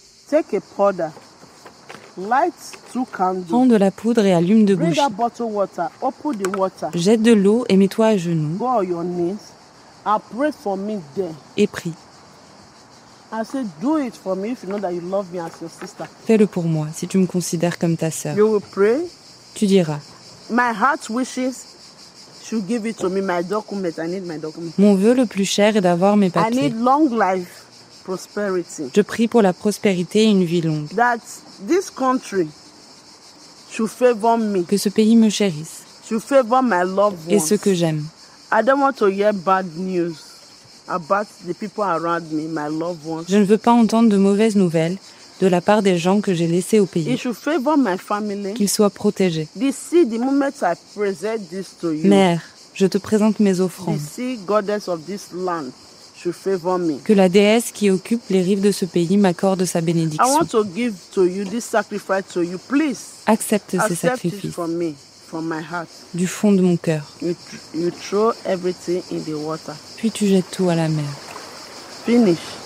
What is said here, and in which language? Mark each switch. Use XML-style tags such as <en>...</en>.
<en>Take a powder. Light two candles.</en> <fr>Prends de la poudre et allume deux bougies.</fr> <en>Bring a bottle of water. Open the water.</en> <fr>Jette de l'eau et mets-toi à genoux.</fr> <en>Go on your knees. I pray for me there.</en> <fr>Et prie.</fr> <en>I say do it for me if you know that you love me as your sister.</en> <fr>Fais-le pour moi si tu me considères comme ta sœur.</fr> <en>You will pray.</en> <fr>Tu diras.</fr> <en>My heart wishes to give it to me my document. I need my document.</en> <fr>Mon vœu le plus cher est d'avoir mes papiers.</fr> <en>I need long life. Prosperity.</en> <fr>Je prie pour la prospérité et une vie longue.</fr> <en>That this country should favor me.</en> <fr>Que ce pays me chérisse.</fr> <en>Should favor my loved ones.</en> <fr>Et ce que j'aime.</fr> <en>I don't want to hear bad news about the people around me, my loved ones.</en> <fr>Je ne veux pas entendre de mauvaises nouvelles de la part des gens que j'ai laissés au pays.</fr> <en>It should favor my family.</en> <fr>Qu'ils soient protégés.</fr> <en>This see the moment I present this to you.</en> <fr>Mère, je te présente mes offrandes.</fr> <en>This see goddess of this land.</en> <fr>Que la déesse qui occupe les rives de ce pays m'accorde sa bénédiction.</fr> <en>I want to give to you this sacrifice to you, please.</en> <fr>Accepte ces sacrifices.</fr> <en>From me, from my heart.</en> <fr>Du fond de mon cœur.</fr> <en>You throw everything in the water.</en> <fr>Puis tu jettes tout à la mer.</fr> <en>Finish.</en>